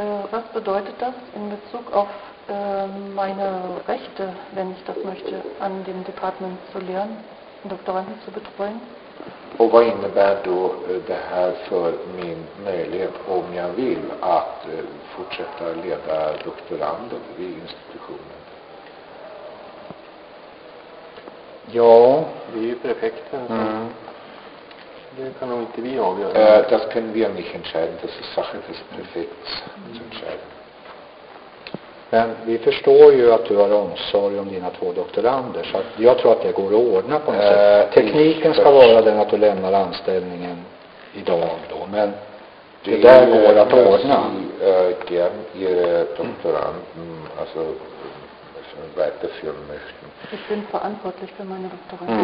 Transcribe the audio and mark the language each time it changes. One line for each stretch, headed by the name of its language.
German: Was bedeutet das in Bezug auf meine Rechte, wenn ich das möchte, an dem Department zu lehren, Doktoranden zu betreuen?
Swedish: Vad innebär då det här för min möjlighet om jag vill att fortsätta leda doktorander vid institutionen? Ja, det är ju prefekten som... Det kan nog inte vi avgöra.
German: Das können wir nicht entscheiden, das ist Sache des Präfekts zu entscheiden.
Swedish: Men vi förstår ju att du har omsorg om dina två doktorander, så jag tror att det går att ordna på något sätt. Tekniken ska vara den att du lämnar anställningen idag då, men det där går att ordna.
German: Gern ihre Doktoranden, also schon weiterführen möchten. Ich bin verantwortlich für meine Doktoranden.